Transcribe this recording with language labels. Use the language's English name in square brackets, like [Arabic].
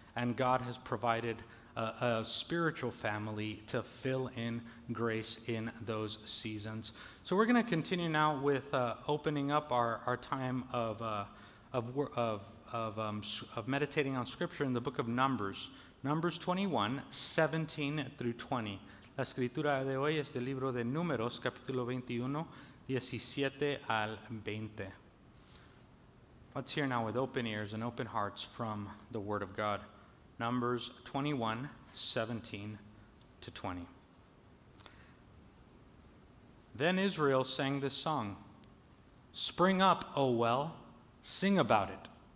[English] and God has provided a spiritual family to fill in grace in those seasons. So we're going to continue now with opening up our time of meditating on Scripture in the book of Numbers, Numbers 21, 17 through 20. [Spanish] La escritura de hoy es del libro de Números, capítulo 21, 17 al 20. [English] Let's hear now with open ears and open hearts from the Word of God. Numbers 21, 17 to 20. Then Israel sang this song. Spring up, O well, sing about it.